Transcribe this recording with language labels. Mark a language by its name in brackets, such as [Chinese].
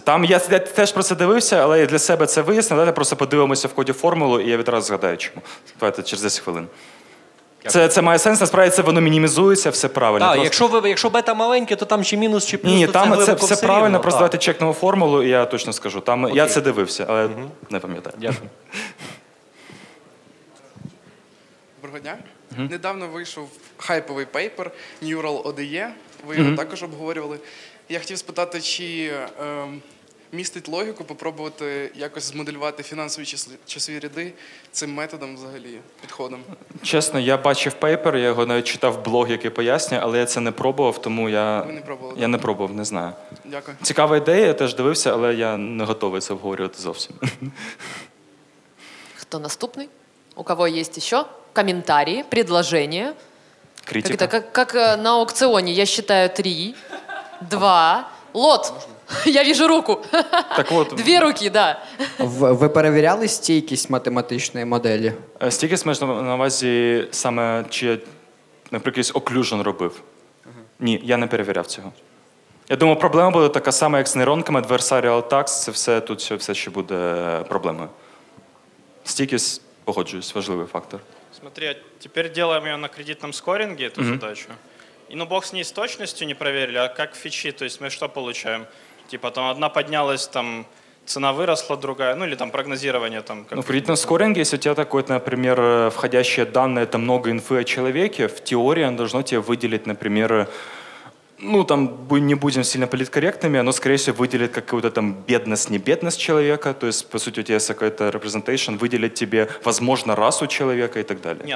[Ukrainian] Там я теж про це дивився, але для себе це вияснив. Давайте просто подивимося в коді формулу, і я відразу згадаю, чому. Давайте через 10 хвилин. Це має сенс, насправді це воно мінімізується, все правильно. Так, просто... якщо бета маленьке, то там чи мінус, чи плюс, ні, то це глибоко все рівно. Ні, там це все правильно, просто давайте чекнемо формулу, і я точно скажу. Там, я це дивився, але не пам'ятаю. Дякую. Доброго дня. Mm-hmm. Недавно вийшов хайповий пейпер Neural ODE. Ви його також обговорювали. Я хотів спитати, чи містить логіку попробувати якось змоделювати фінансові часові ряди цим методом взагалі, підходом? Чесно, я бачив пейпер, я його навіть читав в блог, який пояснює, але я це не пробував, тому я... Ви не пробували? Я не пробував, не знаю. Дякую. Цікава ідея, я теж дивився, але я не готовий це обговорювати зовсім. Хто наступний? У кого є ще? Коментарі, предложення? Критика. [Russian] Как на аукционе, я считаю 3, 2, лот. Я вижу руку. Так вот. [Ukrainian] Дві руки, да. Ви перевіряли стійкість математичної моделі? Стійкість маєш на увазі саме, чи я, наприклад, оклюжен робив? Ні, я не перевіряв цього. Я думаю, проблема буде така сама, як з нейронками, adversarial tax, це все, тут все ще буде проблемою. Стійкість, погоджуюсь, важливий фактор. [Russian] Смотри, а теперь делаем ее на кредитном скоринге, эту задачу. И ну бог с ней с точностью не проверили, а как фичи, то есть мы что получаем? Типа там одна поднялась, там цена выросла, другая, ну или там прогнозирование. Там, как ну в кредитном скоринге, если у тебя такое, например, входящие данные, это много инфы о человеке, в теории оно должно тебе выделить, например, ну там не будем сильно политкорректными, оно скорее всего выделит какую-то там бедность, не бедность человека, то есть по сути у тебя есть какой-то representation, выделит тебе возможно расу человека и так далее.